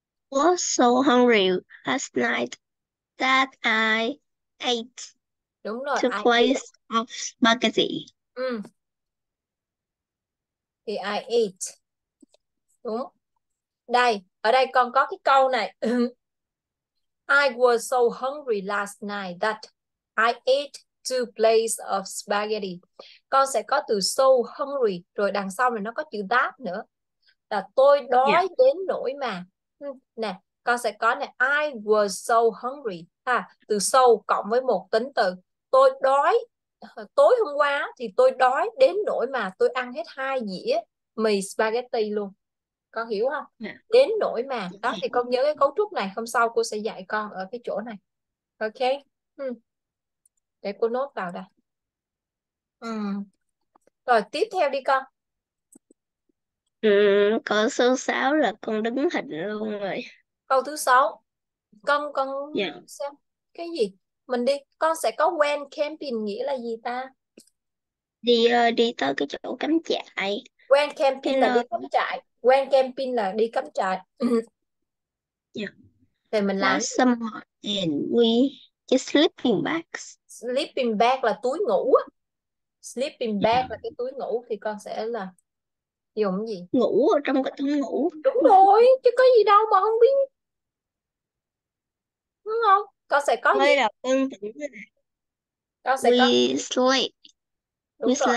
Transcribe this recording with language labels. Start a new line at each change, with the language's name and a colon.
English: Was so hungry last night that I
Vietnamese: Đúng rồi,
English: ate I ate. two plates of spaghetti.
Vietnamese: Thì
English: I ate.
Vietnamese: Đúng. Đây, ở đây con có cái câu này.
English: I was so hungry last night that I ate two plates of spaghetti.
Vietnamese: Con sẽ có từ
English: so hungry,
Vietnamese: rồi đằng sau này nó có chữ that nữa. Là tôi đói đến nỗi mà. Nè, con sẽ có này,
English: I was so hungry
Vietnamese: ha, từ so cộng với một tính từ. Tôi đói tối hôm qua thì tôi đói đến nỗi mà tôi ăn hết hai dĩa mì spaghetti luôn. Con hiểu không? Đến nỗi mà. Đó thì con nhớ cái cấu trúc này, hôm sau cô sẽ dạy con ở cái chỗ này. Ok. Để cô nốt vào đây. Rồi tiếp theo đi con. Con số 6 là con đứng hình luôn rồi. Câu thứ sáu, con xem cái gì mình đi, con sẽ có
English: when camping
Vietnamese: nghĩa là gì ta? Đi tới cái chỗ cắm trại.
English: When
Vietnamese: Cái camping là nơi. đi cắm trại,
English: when camping
Vietnamese: là đi cắm trại. Thì mình làm gì?
English: Last summer and we just sleeping bags.
Vietnamese: Sleeping bag là túi ngủ. Sleeping bag là cái túi ngủ thì con sẽ là dùng cái gì? Ngủ ở trong cái thùng ngủ. Đúng rồi, chứ có gì đâu mà không biết. Đúng không? Con sẽ có gì? Đây là con tỉnh cái này. Con sẽ có. Đúng rồi.